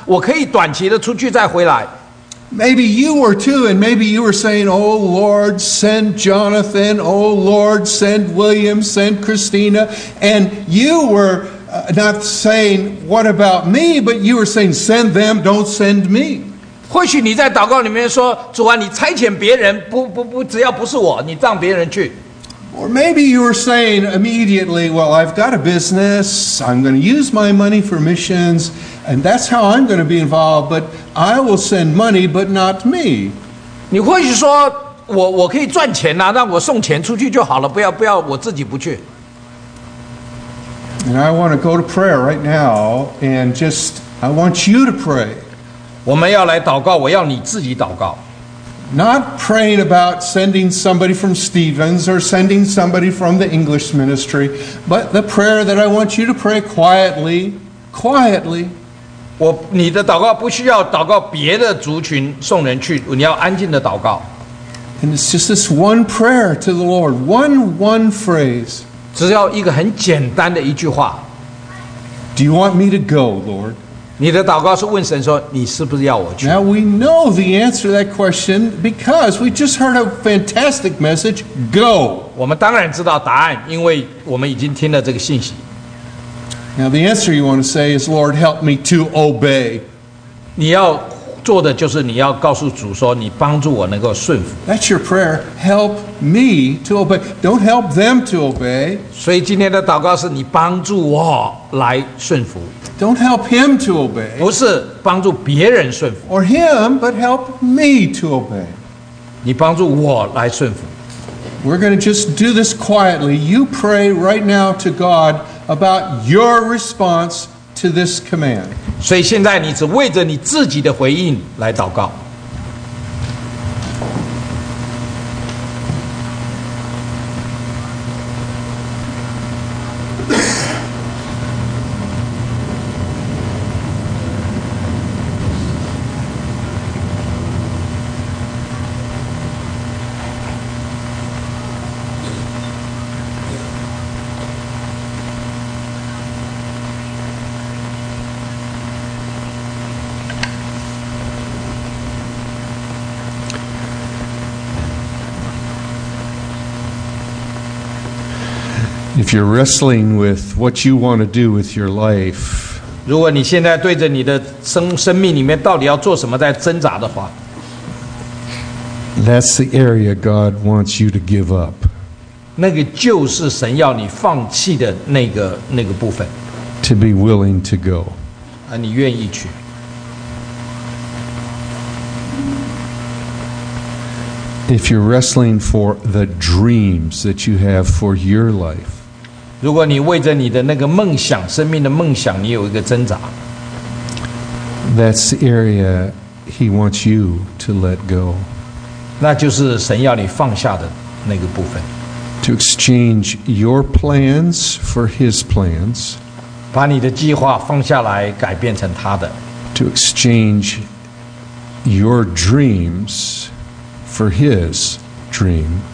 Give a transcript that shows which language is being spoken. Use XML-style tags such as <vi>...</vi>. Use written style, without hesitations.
<zh>当他在讲信息，我心里面自己在那里征战说，我必须做工啊，我必须给我存我自己的养老金啊，我可以短期的出去再回来。</zh> <en>Maybe you were too, and maybe you were saying, oh Lord, send Jonathan, oh Lord, send William, send Christina. And you were not saying, what about me? But you were saying, send them, don't send me.</en> <zh>或许你在祷告里面说，主啊，你差遣别人，不，只要不是我，你让别人去。</zh> <en>Or maybe you were saying immediately, well, I've got a business, I'm going to use my money for missions, and that's how I'm going to be involved, but I will send money, but not me.</en> <zh>你或许说，我可以赚钱啊，让我送钱出去就好了，不要我自己不去。</zh> <en>And I want to go to prayer right now, and just I want you to pray.</en> <zh>我们要来祷告, 我要你自己祷告。</zh> <en>Not praying about sending somebody from Stevens or sending somebody from the English ministry, but the prayer that I want you to pray quietly, quietly.</en> <zh>你的祷告不需要祷告别的族群送人去, 你要安静的祷告。</zh> <en>And it's just this one prayer to the Lord, one phrase.</en> <zh>只要一个很简单的一句话。</zh> <en>Do you want me to go, Lord?</en> <zh>你的祷告是问神说, 你是不是要我去?</zh> <en>Now we know the answer to that question because we just heard a fantastic message, go.</en> <zh>我们当然知道答案, 因为我们已经听了这个信息。</zh> <en>Now the answer you want to say is, Lord, help me to obey.</en> <zh>你要做的就是你要告诉主说, 你帮助我能够顺服。</zh> <en>That's your prayer, help me to obey. Don't help them to obey.</en> <zh>所以今天的祷告是, 你帮助我来顺服。</zh> <en>Don't help him to obey.</en> <zh>不是帮助别人顺服。</zh> <en>Or him, but help me to obey.</en> <zh>你帮助我来顺服。</zh> <en>We're going to just do this quietly. You pray right now to God about your response to this command.</en> <zh>所以现在你只为着你自己的回应来祷告。</zh> <en>If you're wrestling with what you want to do with your life,</en> <zh>如果你现在对着你的生命里面到底要做什么在挣扎的话,</zh> <en>that's the area God wants you to give up.</en> <zh>那个就是神要你放弃的那个部分,</zh> <en>to be willing to go.</en> <zh>啊,你愿意去。</zh> <en>If you're wrestling for the dreams that you have for your life,</en> <zh>如果你为着你的那个梦想, 生命的梦想, 你有一个挣扎,</zh> <en>that's the area he wants you to let go.</en> <zh>那就是神要你放下的那个部分。</zh> <en>To exchange your plans for his plans.</en> <zh>把你的计划放下来, 改变成他的。</zh> <en>To exchange your dreams for his dream.</en>